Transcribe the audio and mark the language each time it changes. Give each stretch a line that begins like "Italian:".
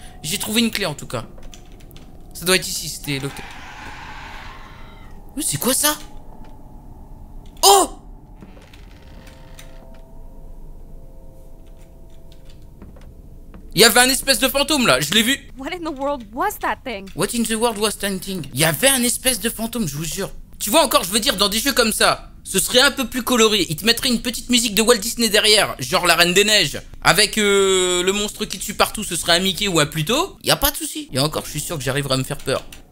French: J'ai trouvé une clé, en tout cas. Ça doit être ici, c'était l'hôtel. C'est quoi ça? Oh! Il y avait un espèce de fantôme là, je l'ai vu.
English: What in the world was that thing? What in the world was that thing?
French: Il y avait un espèce de fantôme, je vous jure. Tu vois encore, je veux dire, dans des jeux comme ça, ce serait un peu plus coloré. Ils te mettraient une petite musique de Walt Disney derrière, genre la Reine des Neiges. Avec le monstre qui tue partout, ce serait un Mickey ou un Pluto. Il y a pas de souci. Et encore, je suis sûr que j'arriverai à me faire peur.